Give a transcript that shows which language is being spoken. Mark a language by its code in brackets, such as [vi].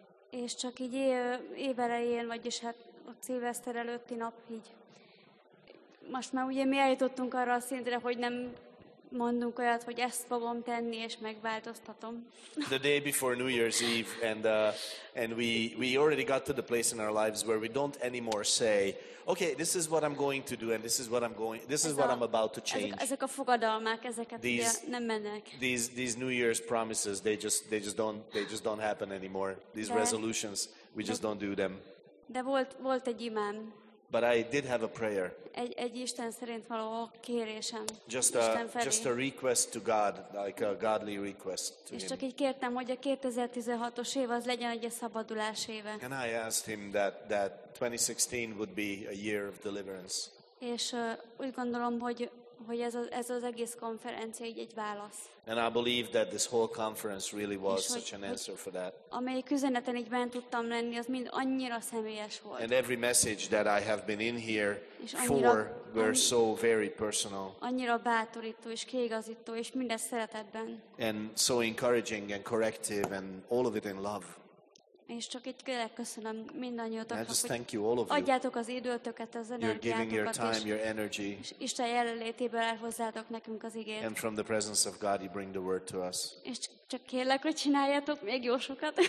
[hu] És csak így éverején, vagyis hát a szilveszter előtti nap így. Most már ugye mi eljutottunk arra a szintre, hogy nem mondunk olyat, hogy ezt fogom tenni és megváltoztatom. [en] The day before New Year's Eve and we already got to the place in our lives where we don't anymore say, okay, this is what I'm going to do and I'm about to change. [hu] Ezek a fogadalmak, ezeket ugye nem mennek. [en] These New Year's promises, they just don't happen anymore. These resolutions, we just don't do them. [hu] De volt egy imám. [en] But I did have a prayer. [hu] Egy Isten szerint való kérésem. [en] Just a request to God, like a godly request to him. [hu] És csak így kértem, hogy a 2016-os év az legyen egy szabadulás éve. [en] And I asked him that 2016 would be a year of deliverance. [hu] És úgy gondolom, hogy ez az egész konferencia egy válasz. [en] And I believe that this whole conference really was such an answer for that. [hu] Amelyik üzeneten így bent tudtam lenni, az mind annyira személyes volt. [en] And every message that I have been in here for were so very personal. [hu] Annyira bátorító és kiigazító és mindez szeretetben. [en] And so encouraging and corrective and all of it in love. [hu] És csak itt kérlek, köszönöm mindannyiótoknak, hogy [en] thank you, all of you. [hu] Adjátok az időtöket, az energiátokat, és Isten jelenlétéből elhozzátok nekünk az igét. [en] And from the presence of God, you bring the word to us. [hu] És csak kérlek, hogy csináljátok még jó sokat.